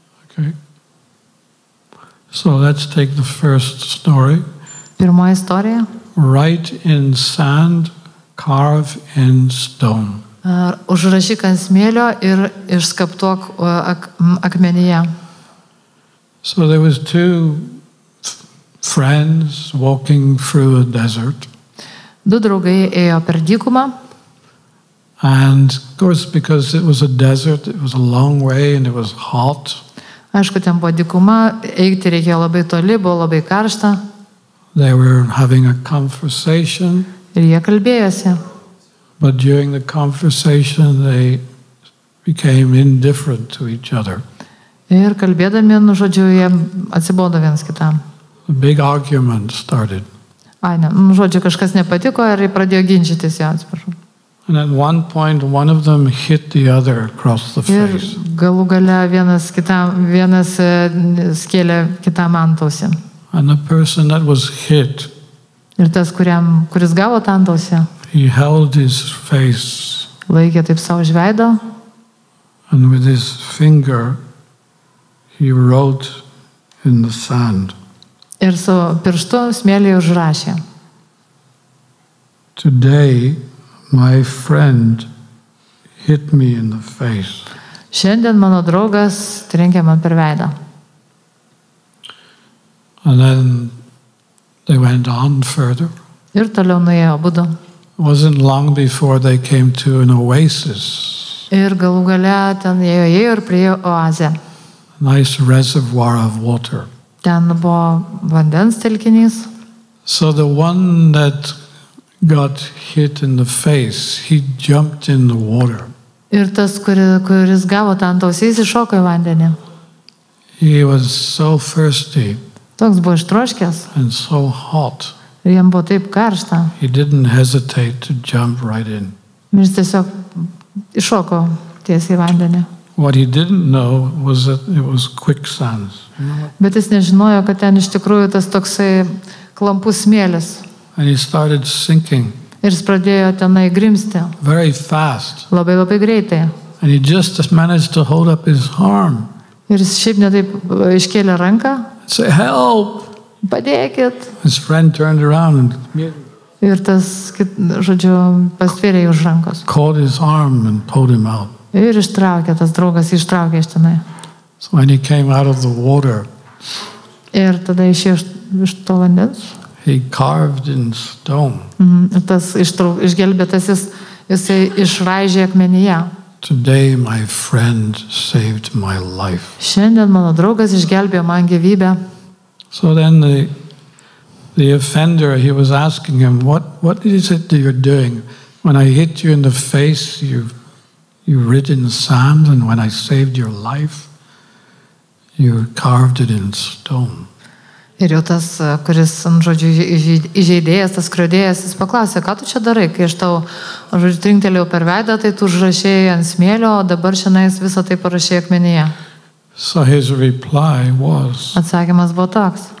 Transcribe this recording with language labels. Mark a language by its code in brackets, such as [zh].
[en] Okay. So let's take the first story. [lt] Pirmoji istorija. [en] Write in sand, carve in stone. [lt] Užrašyk ant smėlio ir išskaptuok akmenyje. [en] So there was two friends walking through a desert. [lt] Du draugai ėjo per dykumą. [en] And of course, because it was a desert, it was a long way and it was hot. [lt] Aišku, ten buvo dykuma, eiti reikėjo labai toli, buvo labai karšta. [en] They were having a conversation. [lt] Ir jie kalbėjosi. [en] But during the conversation they became indifferent to each other. [lt] Ir kalbėdami, žodžiu, jie atsibodo vienas kitam. [en] A big argument started. [lt] Ai, ne, žodžiu, kažkas nepatiko ir jie pradėjo ginčytis, jau atsiprašau. [en] And at one point one of them hit the other across the face. [lt] Ir galų gale vienas kitam, vienas skėlė kitam antausį. [en] And the person that was hit. [lt] Ir tas, kuris gavo tą antausį. [en] He held his face. [lt] Laikė taip savo veidą. [en] And with his finger he wrote in the sand. [lt] Ir su pirštu smėlį užrašė. [en] Today my friend hit me in the face. [lt] Šiandien mano draugas trenkė man per veidą. [en] And then they went on further. [lt] Ir toliau nuėjo abudu. [en] It wasn't long before they came to an oasis. [lt] Ir galų gale ten jėjo ir priejo oazę. [en] A nice reservoir of water. [lt] Ten buvo vandens telkinys. [en] So the one that got hit in the face, he jumped in the water. [lt] Ir tas, kuris gavo tą antausį, jis iššoko į vandenį. [en] He was so thirsty. [lt] Toks buvo ištroškęs. [en] And so hot. [lt] Ir jam buvo taip karšta. [en] He didn't hesitate to jump right in. [lt] Ir jis tiesiog iššoko tiesiai į vandenį. [en] What he didn't know was that it was quicksand. [lt] Bet jis nežinojo, kad ten iš tikrųjų tas toksai klampus smėlis. [en] And he started sinking. [lt] Ir jis pradėjo tenai grimsti. [en] Very fast. [lt] Labai labai greitai. [en] And he just managed to hold up his arm. [lt] Ir jis šiaip netaip iškėlė ranką. [en] Say help. [lt] Padėkit. [en] His friend turned around and [lt] ir tas, žodžiu, pastvėrė jį už rankos. [en] Caught his arm and pulled him out. [lt] Ir ištraukė tas draugas, ištraukė iš tenai. [en] So when he came out of the water. [lt] Ir tada išėjo iš to vandens. [en] He carved in stone. [lt] Tas išgelbėtasis, jisai išraižė akmenyje. [en] Today my friend saved my life. [lt] Šiandien mano draugas išgelbėjo man gyvybę. [en] So then the offender, he was asking him, what is it that you're doing? When I hit you in the face, you written in sand, and when I saved your life, you carved it in stone. [lt] Ir jau tas, kuris, žodžiu, įžeidėjęs, tas skriaudėjęs, jis paklausė, ką tu čia darai, kai aš tau, žodžiu, trinktelėjau per veidą, tai tu užrašėjai ant smėlio, o dabar šiandien visą tai parašė akmenyje. [en] So his reply was, [lt] atsakymas buvo toks.